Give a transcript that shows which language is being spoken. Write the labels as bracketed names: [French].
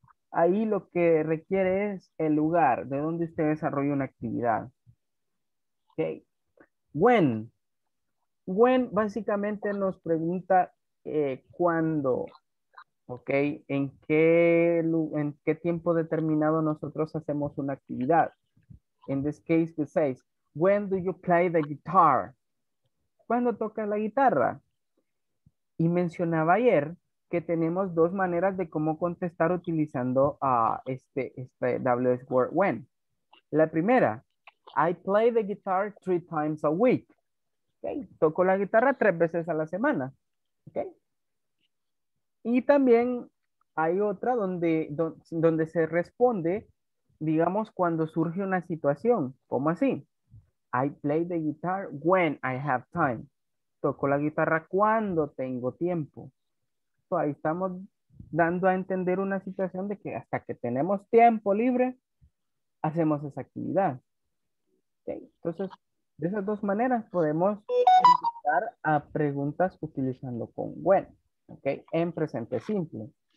[Spanish] Ahí lo que requiere es el lugar de donde usted desarrolla una actividad. Okay. When. When básicamente nos pregunta cuándo. Ok. En qué tiempo determinado nosotros hacemos una actividad. [English] In this case, it says, when do you play the guitar? [Spanish] ¿Cuándo tocas la guitarra? Y mencionaba ayer que tenemos dos maneras de cómo contestar utilizando este WS word when. La primera, [English] I play the guitar 3 times a week. [Spanish] Okay. Toco la guitarra 3 veces a la semana. Okay. Y también hay otra donde se responde, digamos, cuando surge una situación. ¿Cómo así? [English] I play the guitar when I have time. [Spanish] Toco la guitarra cuando tengo tiempo. Ahí estamos dando a entender una situación de que hasta que tenemos tiempo libre, hacemos esa actividad. Okay. Entonces, de esas dos maneras podemos contestar a preguntas utilizando con when, okay, en presente simple.